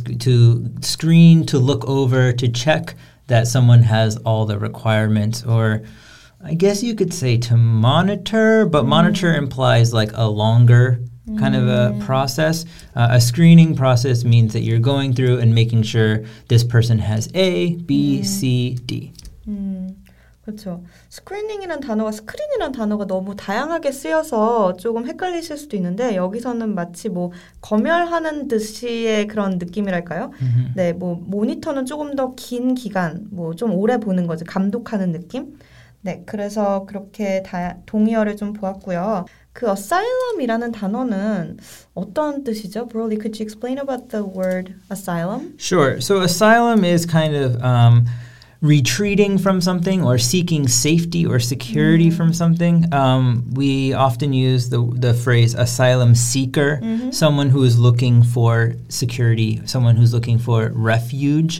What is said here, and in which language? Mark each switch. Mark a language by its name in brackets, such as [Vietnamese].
[English] To screen, to look over, to check that someone has all the requirements, or I guess you could say to monitor, but monitor implies like a longer kind of a process. A screening process means that you're going through and making sure this person has A, B, C, D. [Korean] 그렇죠. 스크리닝이라는 단어가 스크린이라는 단어가 너무 다양하게 쓰여서 조금 헷갈리실 수도 있는데 여기서는 마치 뭐 검열하는 듯이의 그런 느낌이랄까요? Mm-hmm. 네, 뭐 모니터는 조금 더 긴 기간, 뭐 좀 오래 보는 거죠. 감독하는 느낌. 네, 그래서 그렇게 동의어를 좀 보았고요. 그 asylum이라는 단어는 어떤 뜻이죠? [English] Broly, could you explain about the word asylum? Sure. So asylum is kind of retreating from something or seeking safety or security from something. We often use the phrase asylum seeker, someone who is looking for security, someone who's looking for refuge.